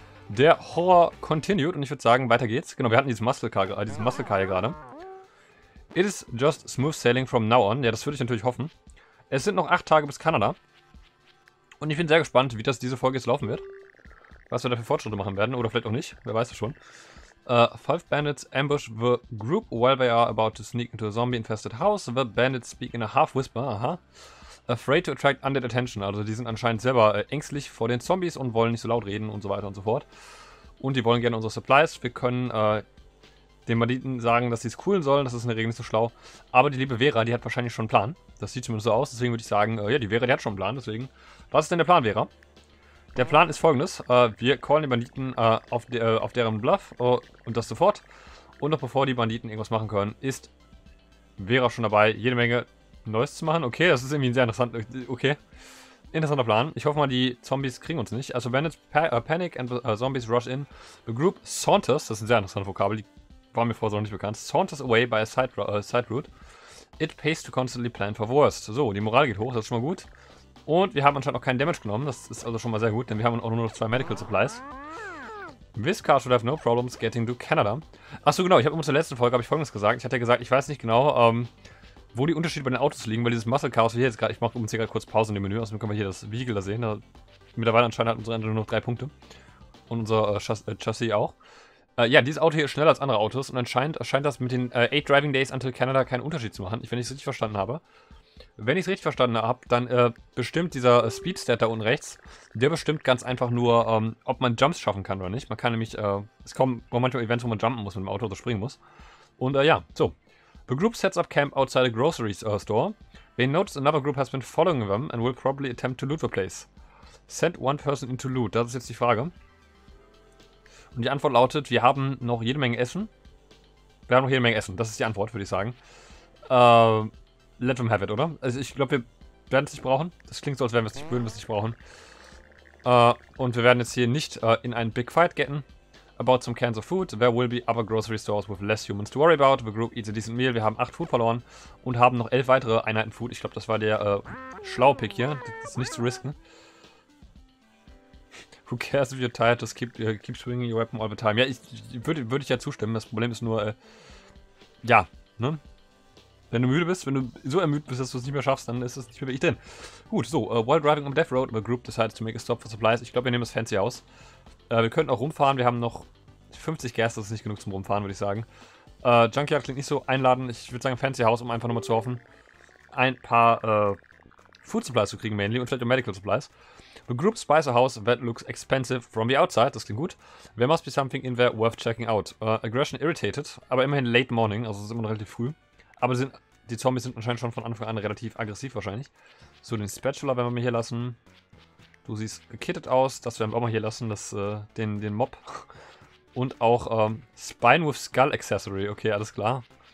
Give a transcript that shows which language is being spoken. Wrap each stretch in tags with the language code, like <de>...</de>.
<de>Der Horror continued und ich würde sagen, weiter geht's. Genau, wir hatten diese Muscle Car gerade.</de> <en>It is just smooth sailing from now on.</en> <de>Ja, das würde ich natürlich hoffen. Es sind noch 8 Tage bis Kanada. Und ich bin sehr gespannt, wie das diese Folge jetzt laufen wird. Was wir da für Fortschritte machen werden, oder vielleicht auch nicht, wer weiß das schon.</de> <en>Five bandits ambush the group while they are about to sneak into a zombie-infested house. The bandits speak in a half-whisper, aha. Afraid to attract undead attention,</en> <de>also die sind anscheinend selber ängstlich vor den Zombies und wollen nicht so laut reden und so weiter und so fort. Und die wollen gerne unsere Supplies. Wir können den Banditen sagen, dass sie es coolen sollen, das ist in der Regel nicht so schlau. Aber die liebe Vera, die hat wahrscheinlich schon einen Plan. Das sieht zumindest so aus, deswegen würde ich sagen, die Vera, die hat schon einen Plan, deswegen. Was ist denn der Plan, Vera? Der Plan ist folgendes, wir callen die Banditen auf deren Bluff und das sofort. Und noch bevor die Banditen irgendwas machen können, ist Vera schon dabei, jede Menge Neues zu machen. Okay, das ist irgendwie ein sehr interessanter, okay. Interessanter Plan. Ich hoffe mal, die Zombies kriegen uns nicht. Also,</de> <en>Bandits panic and zombies rush in. The group saunters,</en> <de>das ist ein sehr interessantes Vokabel, die war mir vorher so noch nicht bekannt.</de> <en>Saunters away by a side route. It pays to constantly plan for worst.</en> <de>So, die Moral geht hoch, das ist schon mal gut. Und wir haben anscheinend auch keinen Damage genommen, das ist also schon mal sehr gut, denn wir haben auch nur noch 2 Medical Supplies.</de> <en>This car should have no problems getting to Canada.</en> <de>Achso, genau, ich habe immer zur letzten Folge, habe ich Folgendes gesagt. Ich hatte ja gesagt, ich weiß nicht genau, wo die Unterschiede bei den Autos liegen, weil dieses Muscle Car, was wir hier jetzt gerade, ich mache übrigens hier gerade kurz Pause in dem Menü, also können wir hier das Vehicle da sehen. Da, mittlerweile anscheinend hat unsere Engine nur noch 3 Punkte. Und unser Chassis auch. Ja, dieses Auto hier ist schneller als andere Autos und anscheinend scheint das mit den 8 Driving Days until Canada keinen Unterschied zu machen, wenn ich es richtig verstanden habe. Wenn ich es richtig verstanden habe, dann bestimmt dieser Speedstat da unten rechts, der bestimmt ganz einfach nur, ob man Jumps schaffen kann oder nicht. Man kann nämlich, es kommen manchmal Events, wo man jumpen muss mit dem Auto oder springen muss. Und ja, so.</de> <en>The group sets up camp outside a grocery store. They notice another group has been following them and will probably attempt to loot the place. Send one person into loot.</en> <de>Das ist jetzt die Frage. Und die Antwort lautet, wir haben noch jede Menge Essen. Wir haben noch jede Menge Essen. Das ist die Antwort, würde ich sagen.</de> <en>Let them have it,</en> <de>oder? Also ich glaube, wir werden es nicht brauchen. Das klingt so, als würden wir es nicht brauchen. Und wir werden jetzt hier nicht in einen Big Fight getten.</de> <en>About some cans of food. There will be other grocery stores with less humans to worry about. The group eats a decent meal.</en> <de>Wir haben 8 Food verloren und haben noch 11 weitere Einheiten Food. Ich glaube, das war der schlaue Pick hier. Das ist nicht zu risken.</de> <en>Who cares if you're tired? Just keep swinging your weapon all the time.</en> <de>Ja, würde ich ja zustimmen. Das Problem ist nur, ja, ne? Wenn du müde bist, wenn du so ermüdet bist, dass du es nicht mehr schaffst, dann ist es nicht mehr ich drin.</de> <en>Gut, so, while driving on Death Road, the group decides to make a stop for supplies.</en> <de>Ich glaube, wir nehmen das fancy aus. Wir könnten auch rumfahren, wir haben noch 50 Gas, das ist nicht genug zum Rumfahren, würde ich sagen. Junkyard klingt nicht so einladen. Ich würde sagen, fancy House, um einfach nochmal zu hoffen, ein paar Food Supplies zu kriegen, mainly, und vielleicht auch Medical Supplies.</de> <en>The group spies a house that looks expensive from the outside,</en> <de>das klingt gut.</de> <en>There must be something in there worth checking out.</en> <de>Aggression irritated, aber immerhin late morning, also es ist immer noch relativ früh. Aber die Zombies sind anscheinend schon von Anfang an relativ aggressiv wahrscheinlich. So, den Spatula werden wir mal hier lassen. Du siehst gekittet aus. Das werden wir auch mal hier lassen, den Mob. Und auch Spine with Skull Accessory. Okay, alles klar.</de>